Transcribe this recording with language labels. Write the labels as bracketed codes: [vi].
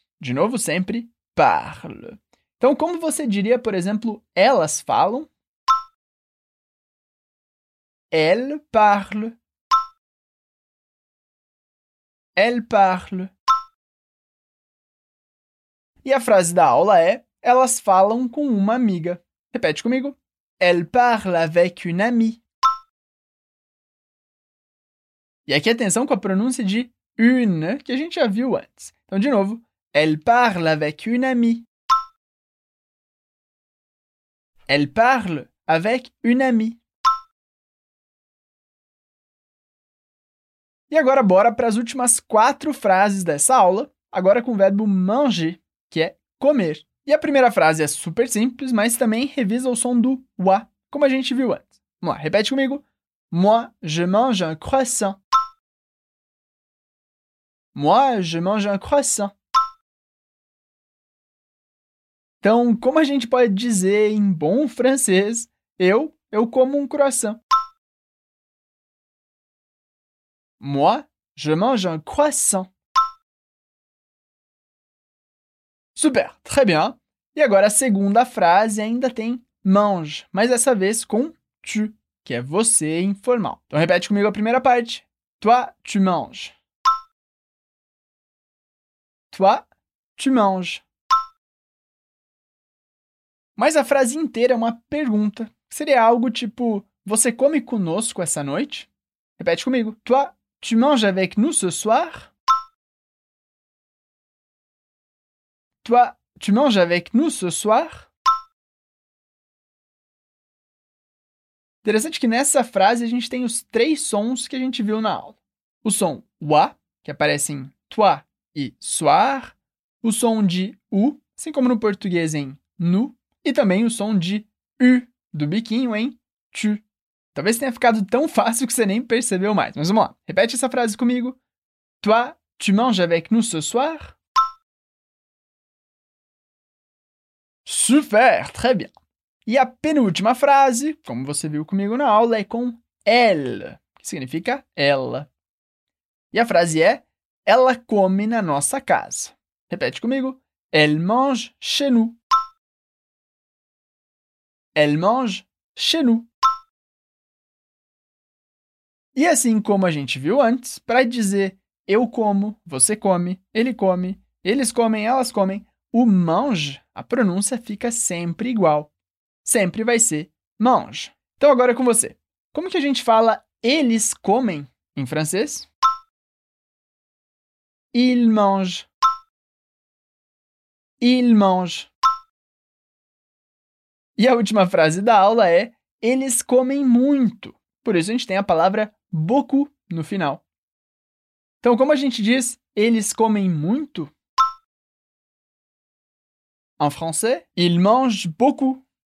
[pt] De novo, sempre parle. Então, como você diria, por exemplo, elas falam? [fr] Elle parle. Elle parle. [pt] E a frase da aula é, elas falam com uma amiga. Repete comigo. [fr] Elle parle avec une amie. [pt] E aqui atenção com a pronúncia de une que a gente já viu antes. Então, de novo, [fr] elle parle avec une amie. Elle parle avec une amie. [pt] E agora, bora para as últimas quatro frases dessa aula, agora com o verbo manger, que é comer. E a primeira frase é super simples, mas também revisa o som do wa, como a gente viu antes. Vamos lá, repete comigo. [fr] Moi, je mange un croissant. Moi, je mange un croissant. [pt] Então, como a gente pode dizer em bom francês, eu como um croissant. [fr] Moi, je mange un croissant. Super, très bien. [pt] E agora a segunda frase ainda tem mange, mas dessa vez com tu, que é você informal. Então repete comigo a primeira parte. [fr] Toi, tu manges. Toi, tu manges. [pt] Mas a frase inteira é uma pergunta. Seria algo tipo, você come conosco essa noite? Repete comigo. [fr] Toi, tu manges avec nous ce soir? Toi, tu manges avec nous ce soir? [pt] Interessante que nessa frase a gente tem os três sons que a gente viu na aula. O som wa, que aparece em toi e soir. O som de u, assim como no português em nu. E também o som de u, do biquinho em tu. Talvez tenha ficado tão fácil que você nem percebeu mais. Mas vamos lá, repete essa frase comigo. [fr] Toi, tu manges avec nous ce soir? Super, très bien. [pt] E a penúltima frase, como você viu comigo na aula, é com elle, que significa ela. E a frase é, ela come na nossa casa. Repete comigo. [fr] Elle mange chez nous. Elle mange chez nous. [pt] E assim como a gente viu antes, para dizer eu como, você come, eles comem, elas comem, o mange, a pronúncia fica sempre igual. Sempre vai ser mange. Então agora é com você. Como que a gente fala eles comem em francês? [fr] Il mange. Il mange. [pt] E a última frase da aula é eles comem muito. Por isso a gente tem a palavra beaucoup no final. Então como a gente diz eles comem muito? [fr] En français, ils mangent beaucoup.